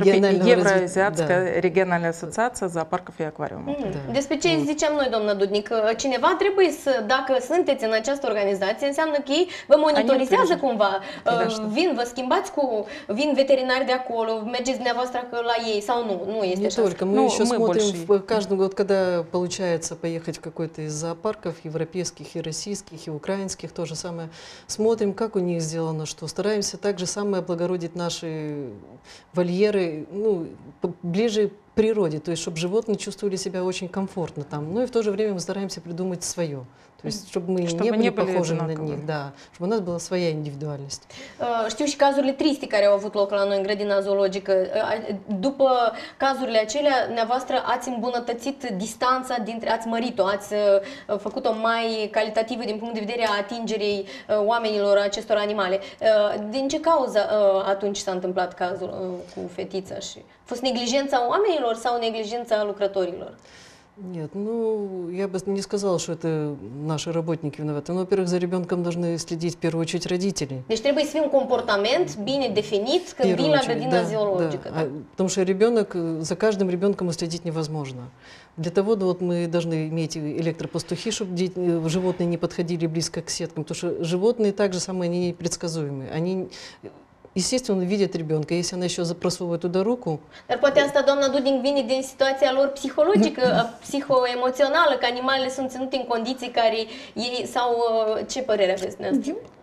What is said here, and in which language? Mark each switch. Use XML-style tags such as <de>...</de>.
<ru>Евразиатская региональная ассоциация зоопарков и аквариумов.</ru> <ro>Despre ce ziceam noi, doamna Dudnic? Cineva trebuie să, dacă sunteți în această organizație, înseamnă că ei vă monitorizează cumva. Vin, vă schimbați cu, vin veterinari de acolo, mergeți dumneavoastră la ei sau nu? Nu este așa.</ro> <ru>Не только. Мы еще смотрим каждый год, когда получается поехать в какой-то из зоопарков европейских и российских и украинских, то же самое. Смотрим, как у них сделано, что стараемся также самое облагородить наши вольеры, ну, ближе к природе, то есть, чтобы животные чувствовали себя очень комфортно там. Ну и в то же время мы стараемся придумать свое. То есть, чтобы мы чтобы не были похожи на них, да. Чтобы у нас была своя индивидуальность.</ru> <ro>Știu și cazurile triste care au avut loc la noi în grădina zoologică. După cazurile acelea, dumneavoastră ați îmbunătățit distanța dintre, ați mărit-o, ați făcut-o mai calitativă din punct de vedere a atingerii oamenilor acestor animale. Din ce cauză atunci s-a întâmplat cazul cu fetița? Și a fost neglijența oamenilor sau neglijența lucrătorilor?</ro> <ru>Нет, ну, я бы не сказала, что это наши работники виноваты. Ну, во-первых, за ребенком должны следить в первую очередь родители. Значит, требует свой компортамент,</ru> <ro>bine definit, când vin la grădina zoologică.</ro> <ru>Да. Потому что ребенок, за каждым ребенком следить невозможно. Для того, да, вот мы должны иметь электропастухи, чтобы животные не подходили близко к сеткам. Потому что животные также самые они непредсказуемые. Они... Естественно, видят ребенка, если она еще запросовывает туда руку.</ru> <ro>Dar poate asta, doamna Dudnic, vine din situația lor psihologică, psihoemoțională, că animalele sunt ținute în condiții care ei, sau ce părere aveți dumneavoastră?</ro>